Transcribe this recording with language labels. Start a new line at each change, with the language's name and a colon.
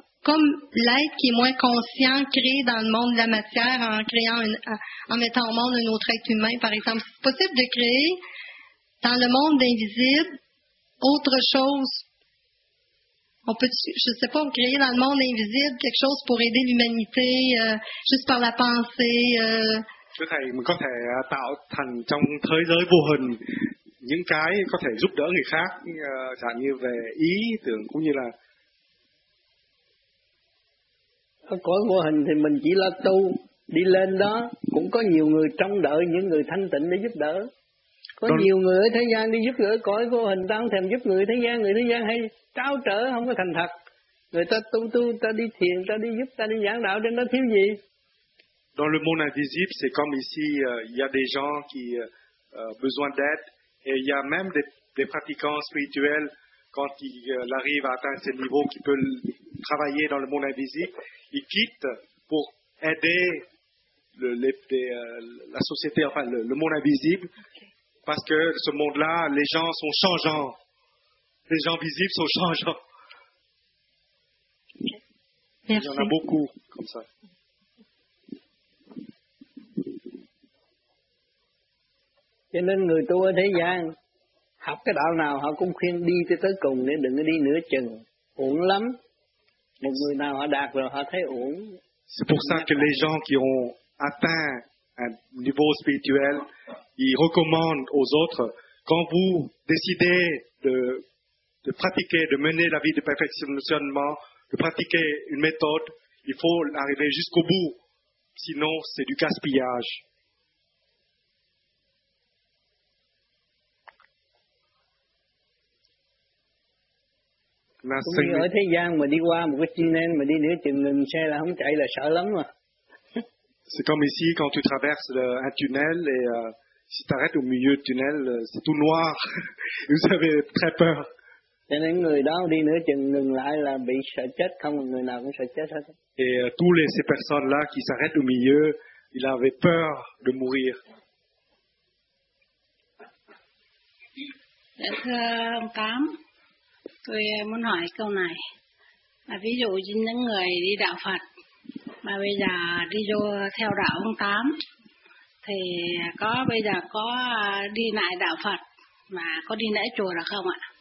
French: comme l'être qui est moins conscient créé dans le monde de la matière en créant une, en mettant au monde un autre être humain, par exemple. C'est possible de créer dans le monde invisible autre chose. On peut, je ne sais pas, créer dans le monde invisible quelque chose pour aider l'humanité juste par la pensée.
Vietnamese: Có thể mình có thể tạo thành trong thế giới vô hình những cái có thể giúp đỡ người khác, chẳng như về ý tưởng cũng như là cõi vô hình thì mình chỉ là tu đi lên đó cũng có nhiều người trông đợi, những người thanh tịnh để giúp đỡ. Có nhiều người ở thế gian đi giúp đỡ cõi vô hình, ta không thèm giúp người thế gian hay tráo trở, không có thành thật. Người ta tu tu, ta đi thiền, ta đi giúp, ta đi giảng đạo trên đó thiếu gì.
French: Dans le monde invisible, c'est comme ici, il y a des gens qui ont besoin d'aide, et il y a même des pratiquants spirituels, quand ils arrivent à atteindre ce niveau, qui peuvent travailler dans le monde invisible, ils quittent pour aider la société, enfin le monde invisible, parce que ce monde-là, les gens sont changeants. Les gens visibles sont changeants. Merci. Il y en a beaucoup comme ça.
Vietnamese: Cho nên người tu ở thế gian học cái đạo nào họ cũng khuyên đi tới cùng, để đừng đi nửa chừng, uổng lắm. Một người nào họ đạt rồi họ thấy uổng.
French: C'est pour ça que les gens qui ont atteint un niveau spirituel, ils recommandent aux autres, quand vous décidez de pratiquer, de mener la vie de perfectionnement, de pratiquer une méthode, il faut arriver jusqu'au bout, sinon c'est du gaspillage.
Vietnamese: Cũng như ở thế gian mà đi qua một cái tunnel mà đi nửa chừng mình xe là không chạy là sợ lắm mà.
French: C'est comme ici quand tu traverses un tunnel et si tu arrêtes au milieu du tunnel, c'est tout noir. Vous avez très peur.
Vietnamese: Cho nên người đó đi nửa chừng ngừng lại là bị sợ chết, không người nào cũng sợ chết hết.
French: Et tous les ces personnes là qui s'arrêtent au milieu, ils avaient peur de mourir.
Vietnamese: Thưa ông Tám, tôi muốn hỏi câu này. Ví dụ như những người đi đạo Phật mà bây giờ đi vô theo đạo ông Tám, thì có bây giờ có đi lại đạo Phật mà có đi lễ chùa được không ạ?